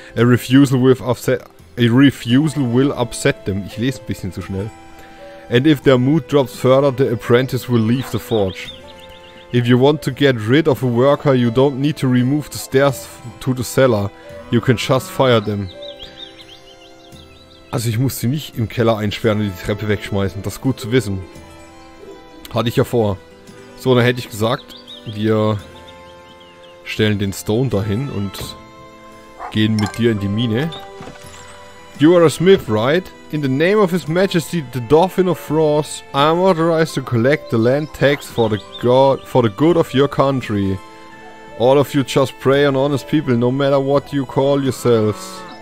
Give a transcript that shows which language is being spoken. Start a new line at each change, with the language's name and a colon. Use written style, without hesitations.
English: A refusal will upset them.
German: Ich lese ein bisschen zu schnell.
English: And if their mood drops further, the apprentice will leave the forge. If you want to get rid of a worker, you don't need to remove the stairs to the cellar. You can just fire them.
German: Also ich muss sie nicht im Keller einsperren und die Treppe wegschmeißen. Das ist gut zu wissen. Hatte ich ja vor. So, dann hätte ich gesagt, wir stellen den Stone dahin und gehen mit dir in die Mine.
English: You are a smith, right? In the name of his majesty, the Dauphin of Frost, I am authorized to collect the land tax for the good of your country. All of you just prey on honest people, no matter what you call yourselves.